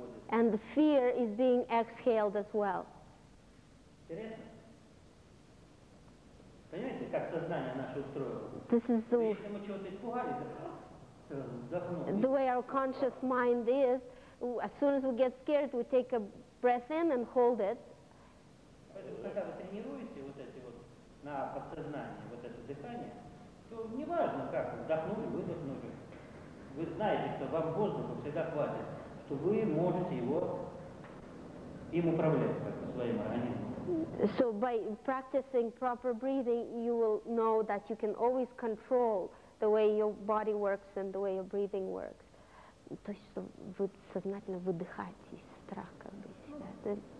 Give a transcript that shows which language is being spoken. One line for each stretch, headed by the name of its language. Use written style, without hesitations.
English: And the fear is being exhaled as well. This is the way our conscious mind is. As soon as we get scared, we take a breath in and hold it.
Russian: Когда вы тренируете вот эти вот на подсознание вот это дыхание, то не важно, как вдохнули, выдохнули. Вы знаете, что вам воздуха всегда хватит, что вы можете его им управлять как бы своим организмом.
English: So by practicing proper breathing, you will know that you can always control the way your body works and the way your breathing works.
Russian: То есть, что вы сознательно выдыхаете из страха, как бы.